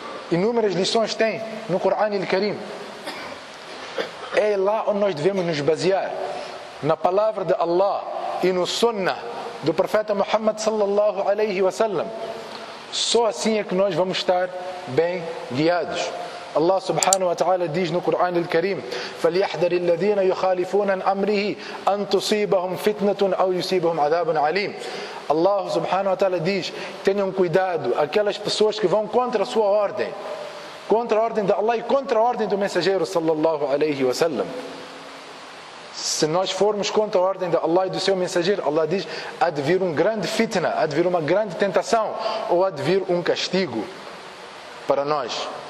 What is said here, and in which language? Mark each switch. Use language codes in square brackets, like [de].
[pt] Inúmeras lições tem no Quran al-Karim. É lá onde nós devemos nos basear, na palavra de Allah e no sunnah do profeta Muhammad sallallahu alaihi wa sallam. Só assim é que nós vamos estar bem guiados. Allah subhanahu wa ta'ala diz no Quran al-Karim: [ar] فَلْيَحْذَرِ الَّذِينَ يُخَالِفُونَ أَمْرِهِ أَن تُصِيبَهُمْ فِتْنَةٌ أَوْ يُصِيبَهُمْ عَذَابٌ عَلِيمٌ. [pt] Allah subhanahu wa ta'ala diz: tenham cuidado aquelas pessoas que vão contra a sua ordem, contra a ordem de Allah e contra a ordem do mensageiro sallallahu alaihi wa sallam. Se nós formos contra a ordem de Allah e do seu mensageiro, Allah diz: há de vir um grande fitna, há de vir uma grande tentação, ou há de vir um castigo para nós.